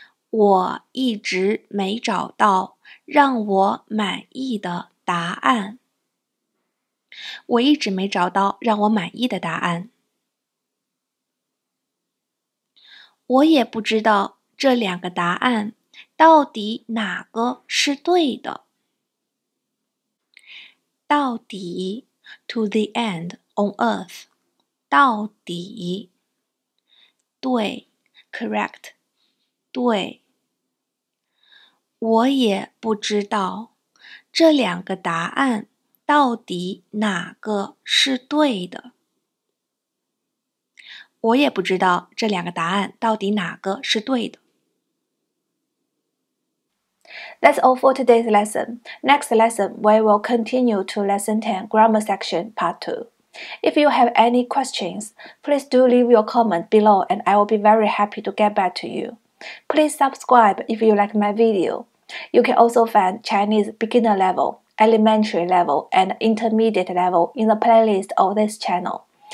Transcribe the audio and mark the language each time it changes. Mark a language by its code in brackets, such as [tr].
[zh] 我一直没找到让我满意的答案。我一直没找到让我满意的答案。我也不知道这两个答案到底哪个是对的？到底 [en] ，to the end on earth， 到底， [zh] 对 [en] ，correct， 对。 [zh] 我也不知道这两个答案到底哪个是对的。我也不知道这两个答案到底哪个是对的。 [en] That's all for today's lesson. Next lesson, we will continue to lesson 10 grammar section part 2. If you have any questions, please do leave your comment below and I will be very happy to get back to you. Please subscribe if you like my video. You can also find Chinese beginner level, elementary level, and intermediate level in the playlist of this channel.